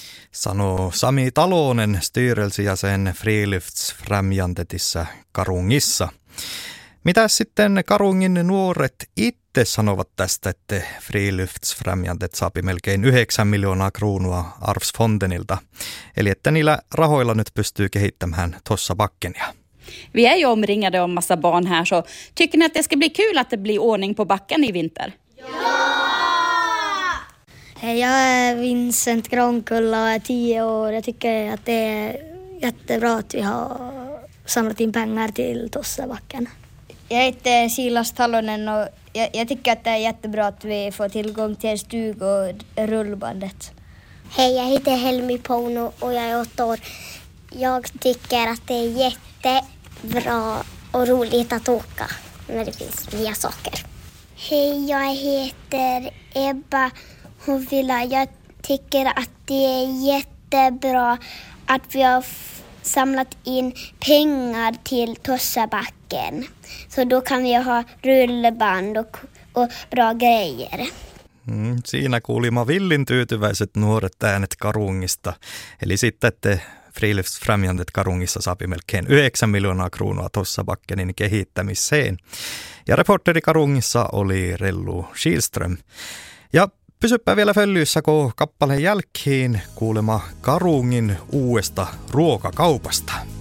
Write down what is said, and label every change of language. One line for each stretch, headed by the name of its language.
Finnish: sanoo Sami Talonen, styrelsijäsen friluftsfrämjantetissa Karungissa. Mitä sitten Karungin nuoret itse sanovat tästä, että friluftsfrämjantet saapi melkein 9 miljoonaa kruunua Arvsfontenilta? Eli että niillä rahoilla nyt pystyy kehittämään tuossa bakkenia.
Swedish: Vi är ju omringade av massa barn här, så tycker ni att det ska bli kul att det blir ordning på backen i vinter? Ja! Jag är Vincent Grankulla och är 10 år. Jag tycker att det är jättebra att vi har samlat in pengar till Tossabacken. Jag heter Silas Talonen och jag tycker att det är jättebra att vi får tillgång till stug och rullbandet. Hej, jag heter Helmi Pono och jag är 8 år. Jag tycker att det är jättebra och roligt att åka när det finns nya saker. Hej, jag heter Ebba Hovilla. Jag tycker att det är jättebra att vi har samlat in pengar till Tossabacken. Så då kan vi ha rullband och bra grejer.
Finnish: Siinä kuulimme villin tyytyväiset nuoret äänet Karungista. Eli sitten te Friluftsfrämjandet Karungissa saapi melkein 9 miljoonaa kruunua Tossabackenin kehittämiseen. Ja reporteri Karungissa oli Rellu Schielström. Ja pysyppä vielä följyssä, kun kappaleen jälkeen kuulema Karungin uudesta ruokakaupasta.